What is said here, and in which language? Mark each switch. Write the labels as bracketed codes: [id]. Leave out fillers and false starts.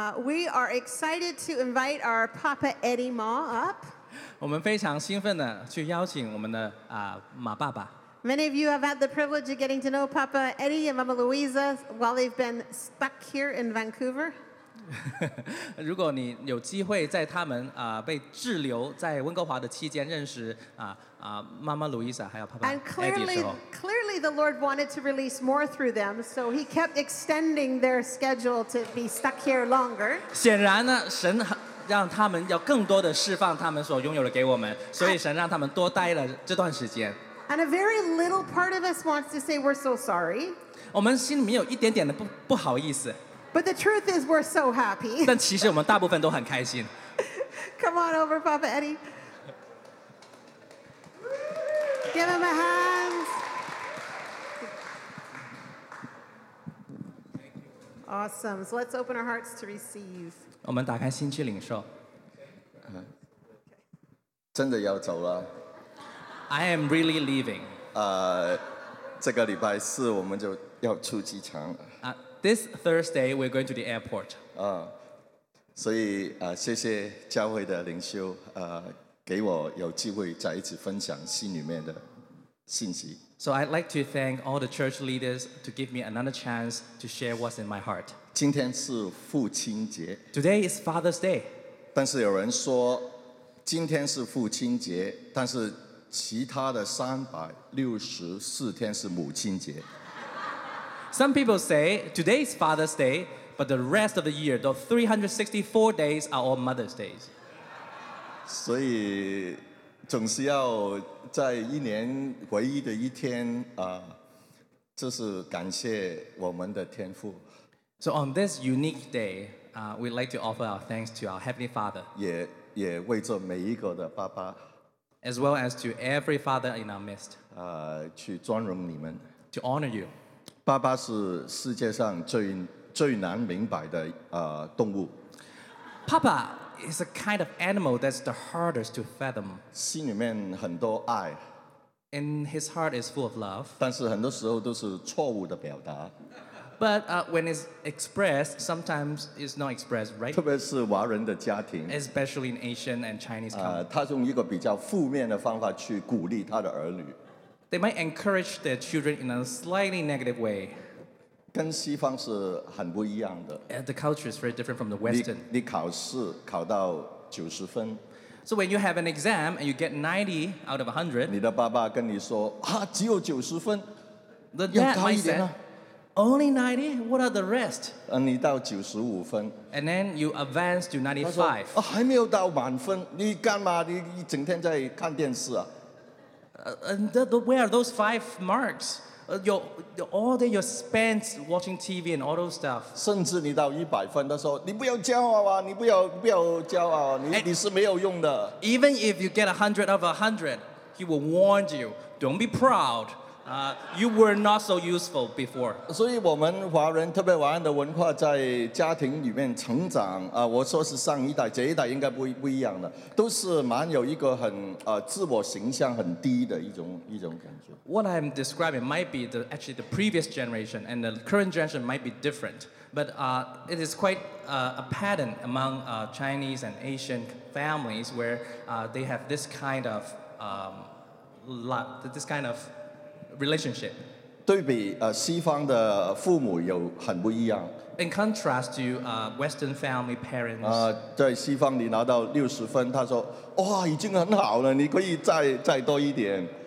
[en] Excited to invite our Papa Eddie Ma up. [zh] 我们非常兴奋地去邀请我们的 马爸爸。 [en] Many of you have had the privilege of getting to know Papa Eddie and Mama Louisa while they've been stuck here in Vancouver. [zh] 如果你有机会在他们被滞留在温哥华的期间认识 Mama Louisa 还有Papa Eddie的时候。 [en] And clearly the Lord wanted to release more through them, so he kept extending their schedule to be stuck here longer. [zh] 显然呢, 神, 让他们要更多的释放他们所拥有的给我们，所以神让他们多待了这段时间。 [en] And a very little part of us wants to say we're so sorry. [zh] 我们心里面有一点点的不好意思。 [en] But the truth is we're so happy. [zh] 但其实我们大部分都很开心。 [en] Come on over, Papa Eddie. Give him a hand. Awesome. So let's open our hearts to receive. [zh] 我们打开心去领受。真的要走了。 [en] I am really leaving. [zh] 这个礼拜四我们就要出机场。 [en] This Thursday we're going to the airport. [zh] 所以谢谢教会的领袖给我有机会再一次分享心里面的信息。 [en] So I'd like to thank all the church leaders to give me another chance to share what's in my heart. [zh] 今天是父亲节。 [en] Today is Father's Day. [zh] 但是有人说今天是父亲节，但是其他的364天是母亲节。 [en] Some people say today is Father's Day, but the rest of the year, the 364 days are all Mother's Days. [zh] 所以总是要在一年唯一的一天，就是感谢我们的天父。 [en] So on this unique day, we'd like to offer our thanks to our Heavenly Father. [zh] 也为着每一个的爸爸， [en] as well as to every father in our midst, [zh] 去尊荣你们， [en] to honor you. [zh] 爸爸是世界上最难明白的动物。 [en] Papa is a kind of animal that's the hardest to fathom. [zh] 心里面很多爱， [en] and his heart is full of love. [zh] 但是很多时候都是错误的表达。 [en] But when it's expressed, sometimes it's not expressed, right? [zh] 特别是华人的家庭。 [en] Especially in Asian and Chinese culture. [zh] 他用一个比较负面的方法去鼓励他的儿女。 [en] They might encourage their children in a slightly negative way. [zh] 跟西方是很不一样的。 [en] The culture is very different from the Western. [zh] 你考试考到90分。 [en] So when you have an exam and you get 90 out of 100. [zh] 你的爸爸跟你说，只有90分。 [en] The dad might say,Only 90? What are the rest? [zh] 你到95分。 [en] And then you advance to 95. [zh] 他说，还没有到满分，你干嘛？你整天在看电视啊？ [en] Where are those 5 marks? All day you're spent watching TV and all those stuff. 甚至你到100分，他说，你不要骄傲啊，你不要骄傲，你是没有用的。 Even if you get 100 out of 100, he will warn you, don't be proud. You were not so useful before. [zh] 所以我们华人，特别华人的文化，在家庭里面成长，我说是上一代，这一代应该不一样的，都是蛮有一个很自我形象很低的一种感觉。 [en] What I'm describing might be actually the previous generation, and the current generation might be different, but it is quite a pattern among Chinese and Asian families where they have this kind of relationship. [zh] 对比西方的父母有很不一样。 [en] In contrast to Western family parents. [zh] 在西方你拿到60分，他说，哇，已经很好了，你可以再多一点。